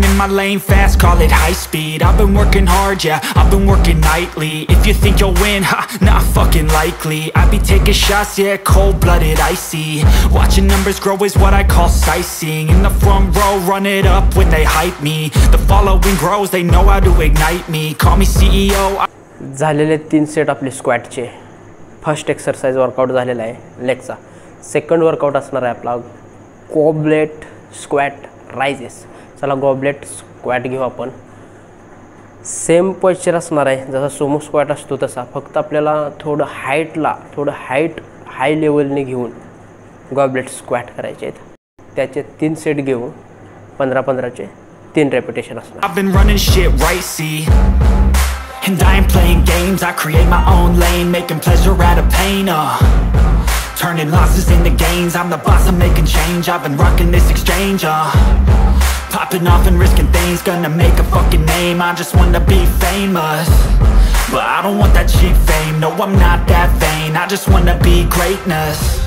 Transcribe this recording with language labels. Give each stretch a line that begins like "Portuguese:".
English: Lane fast, call it high speed. I've been working hard, yeah, I've been working nightly. If you think you'll win, ha, not fucking likely. I be taking shots, yeah, cold-blooded, icy. Watching numbers grow is what I call sightseeing. In the front row, run it up when they hype me. The following grows, they know how to ignite me. Call me CEO.
Marathi: झालेले 3 set आपले स्क्वॅटचे. First exercise workout झालेला आहे लेगचा. Second workout असणार आहे आपला गोब्लेट squat rises. चला goblet squat घेऊ आपण. सेम पोश्चर असणार आहे जसा सोमो स्क्वॅट असतो तसा, फक्त आपल्याला थोडं हाईटला थोडं हाईट हाय लेवलने घेऊन गॉबलेट स्क्वॅट करायचे आहेत. त्याचे 3 सेट घेऊ, 15-15 3 रेपिटेशन असणार.
English: I've been running shit right, see. And I ain't playing games, I create my own lane, making pleasure out of pain, turning losses into gains, I'm the boss, I'm making change, I've been rocking this exchange, popping off and risking things, gonna make a fucking name, I just wanna be famous, but I don't want that cheap fame, no I'm not that vain, I just wanna be greatness.